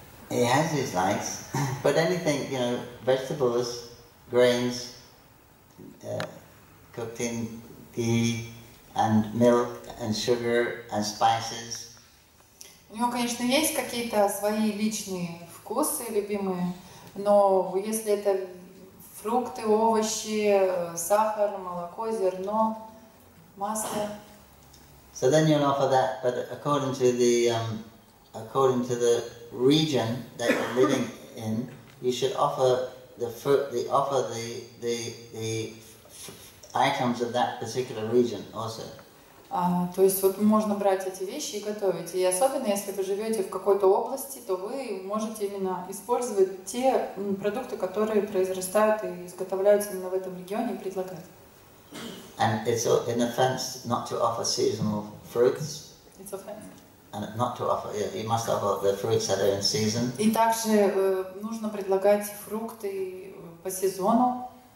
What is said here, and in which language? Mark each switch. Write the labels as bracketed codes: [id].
[en] He has his likes, but anything, you know, vegetables, grains, cooked in ghee, and milk, and sugar, and spices. [ru] У него, конечно, есть какие-то свои личные вкусы любимые, но если это фрукты, овощи, сахар, молоко, зерно, масло. [en] So then you'll offer that, but according to the region that you're living in, you should offer the food, the items of that particular region also. [ru] То есть вот можно брать эти вещи и готовить. И особенно если вы живете в какой-то области, то вы можете именно использовать те продукты, которые произрастают и изготавливаются именно в этом регионе, и предлагать. [en] And it's an offense not to offer seasonal fruits. It's offense. And not to offer. Yeah, you must offer the fruits that are in season. [ru] И также нужно предлагать фрукты по сезону.